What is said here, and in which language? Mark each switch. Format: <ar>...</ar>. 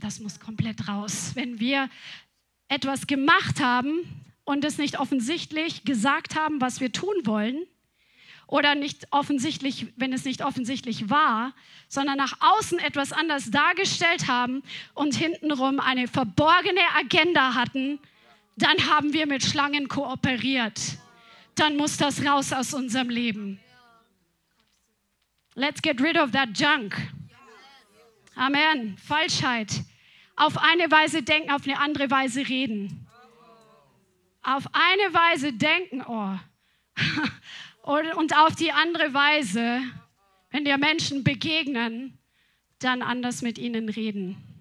<de>Das muss komplett raus. Wenn wir etwas gemacht haben und es nicht offensichtlich gesagt haben, was wir tun wollen, oder nicht offensichtlich, wenn es nicht offensichtlich war, sondern nach außen etwas anders dargestellt haben und hintenrum eine verborgene Agenda hatten, dann haben wir mit Schlangen kooperiert. Dann muss das raus aus unserem Leben.</de> <en>Let's get rid of that junk.</en> <de>Amen. Falschheit. Auf eine Weise denken, auf eine andere Weise reden. Auf eine Weise denken, oh. Und auf die andere Weise, wenn dir Menschen begegnen, dann anders mit ihnen reden.</de>